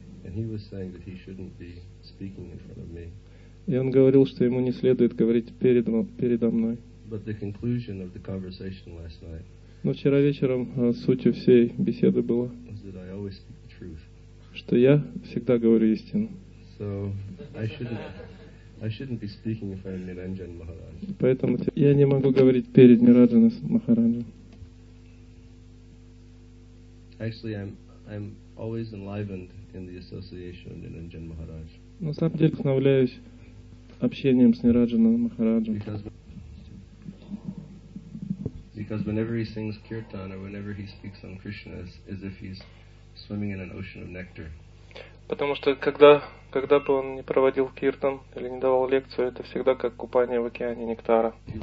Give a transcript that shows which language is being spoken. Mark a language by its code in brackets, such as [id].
[en] And he was saying that he shouldn't be speaking in front of me. [ru] И он говорил, что ему не следует говорить передо мной. [en] But the conclusion of the conversation last night. [ru] Но вчера вечером сутью всей беседы было, [en] was that I always speak the truth. [ru] Что я всегда говорю истину. [en] So I shouldn't be speaking in front of Niranjan Maharaj. [ru] Поэтому я не могу говорить перед Ниранджаном Махараджем. [en] Actually, I'm always enlivened in the association of Niranjan Maharaj. [ru] На самом деле вдохновляюсь общением с Ниранджаном Махараджем. [en] Because whenever he sings kirtan or whenever he speaks on Krishna, it's as if he's swimming in an ocean of nectar. [ru] Потому что когда бы он не проводил киртан или не давал лекцию, это всегда как купание в океане нектара.